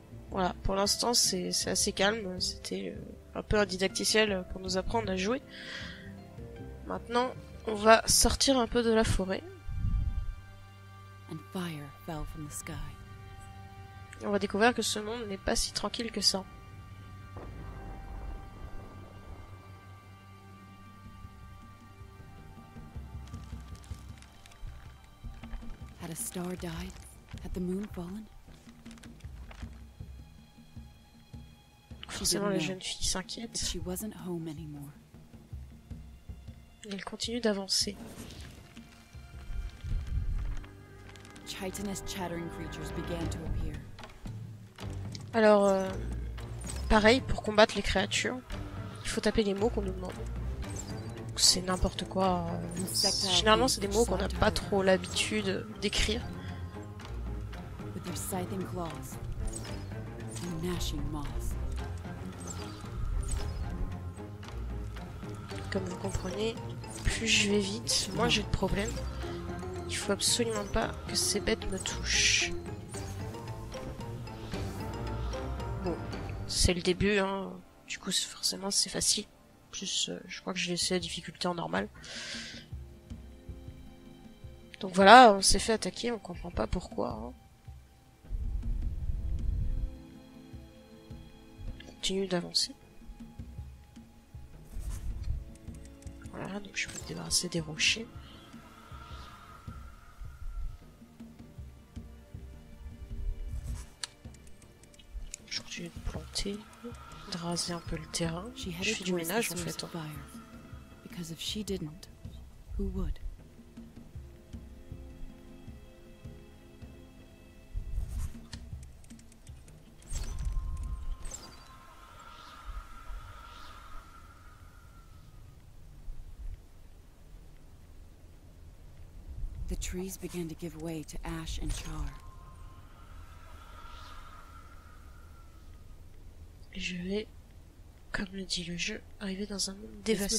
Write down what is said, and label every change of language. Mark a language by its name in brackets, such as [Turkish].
[French] Voilà, pour l'instant, c'est assez calme. C'était un peu un didacticiel pour nous apprendre à jouer. Maintenant, on va sortir un peu de la forêt. [English] And fire fell from the sky. [French] On va découvrir que ce monde n'est pas si tranquille que ça. [English] Had a star died? Had the moon fallen? [French] Forcément, la jeune fille s'inquiète. [English] She wasn't home anymore. [French] Et elle continue d'avancer. [English] Chitinous chattering creatures began to appear. [French] Alors, pareil, pour combattre les créatures, il faut taper les mots qu'on nous demande. C'est n'importe quoi. Généralement, c'est des mots qu'on n'a pas trop l'habitude d'écrire. [English] With your scything claws and gnashing moss. [French] Comme vous comprenez, plus je vais vite, moins j'ai de problèmes. Il faut absolument pas que ces bêtes me touchent. Bon, c'est le début, hein. Du coup, forcément, c'est facile. Plus, je crois que j'ai laissé la difficulté en normal. Donc voilà, on s'est fait attaquer, on comprend pas pourquoi. Hein. On continue d'avancer. Voilà, donc je peux me débarrasser des rochers. Je continue de planter. De raser un peu le terrain. Je fais du ménage en fait. [English] Because if she didn't, who would? The trees began to give way to ash and char. [French] Je vais, comme le dit le jeu, arriver dans un monde dévasté.